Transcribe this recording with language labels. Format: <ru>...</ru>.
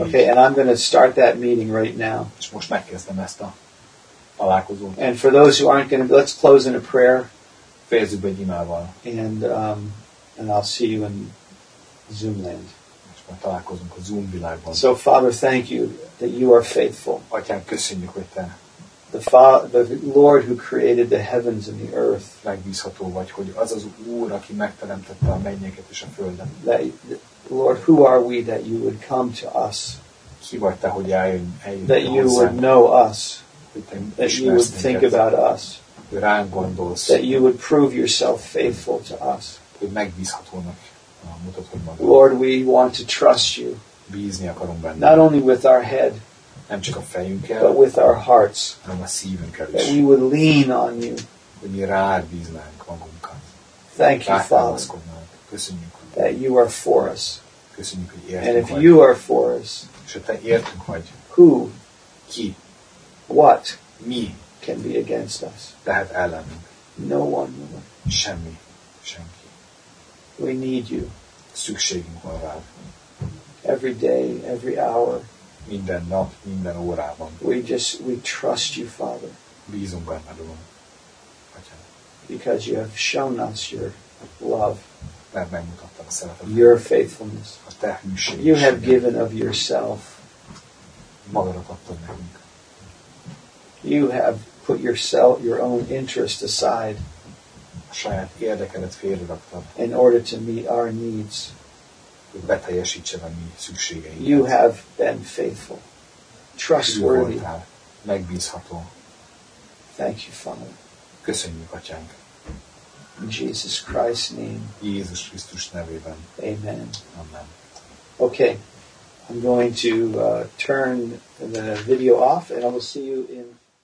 <en>Okay, and I'm going to start that meeting right now.</en> <hu>És most megkezdtem ezt a találkozót.</hu> <en>And for those who aren't going to, let's close in a prayer.</en> <hu>Fejezzük be egy imával.</hu> <en>And I'll see you in Zoom land.</en> <hu>És majd találkozunk a Zoom világban.</hu> <en>So, Father, thank you that you are faithful.</en> <hu>Atyám, köszönjük, hogy te.</hu> <en>The Lord who created the heavens and the earth.</en> <hu>Megbízható vagy, hogy az az Úr, aki megteremtette a mennyeket és a földet.</hu> <en>Lord, who are we that you would come to us?</en> <hu>Ki vagy te, hogy eljön</hu> <en>that you</en> <hu>hozzánk,</hu> <en>would know us.</en> <hu>Hogy te</hu> <en>that you would think about us.</en> <hu>Hogy ránk gondolsz.</hu> <en>That you would prove yourself faithful to us.</en> <hu>Hogy megbízhatónak mutatod magad.</hu> <en>Lord, we want to trust you.</en> <hu>Bízni akarunk benned.</hu> <en>Not only with our head.</en> <hu>Nem csak a fejünkkel,</hu> <en>but with our hearts,</en> <hu>a szívünkkel is.</hu> <en>That we would lean on you.</en> <hu>Hogy mi rád bíznánk magunkat.</hu> <en>Thank you, Father.</en> <hu>Köszönjük.</hu> <en>That you are for us.</en> <hu>Köszönjük, hogy értünk</hu> <en>And if you are for us,</en> <hu>és ha te értünk vagy,</hu> <en>who,</en> <hu>ki,</hu> <en>what,</en> <hu>mi,</hu> <en>can be against us.</en> <hu>Tehát ellenünk.</hu> <en>No one, no one.</en> <hu>Semmi, senki.</hu> <en>We need you.</en> <hu>Szükségünk van rád.</hu> <en>Every day, every hour.</en> <hu>Minden nap, minden órában.</hu> <en>We trust you, Father.</en> <hu>Bízunk benned, Uram.</hu> <en>Because you have shown us your love.</en> <hu>Mert megmutattad a szeretetet.</hu> <en>Your faithfulness.</en> <hu>A te hűség.</hu> <en>You have given of yourself.</en> <hu>Magadat adtad nekünk.</hu> <en>You have put yourself, your own interest aside.</en> <hu>A saját érdekedet félreraktad.</hu> <en>In order to meet our needs.</en> <hu>Hogy beteljesítsed a mi szükségeinket.</hu> <en>You have been faithful. Trustworthy.</en> <hu>Voltál, megbízható.</hu> <en>Thank you, Father.</en> <hu>Köszönjük, Atyánk.</hu> <en>In Jesus Christ's name.</en> <hu>Jézus Krisztus nevében.</hu> <en>Amen.</en> <hu>Amen.</hu> <en>Okay, I'm going to turn the video off and I will see you in...</en>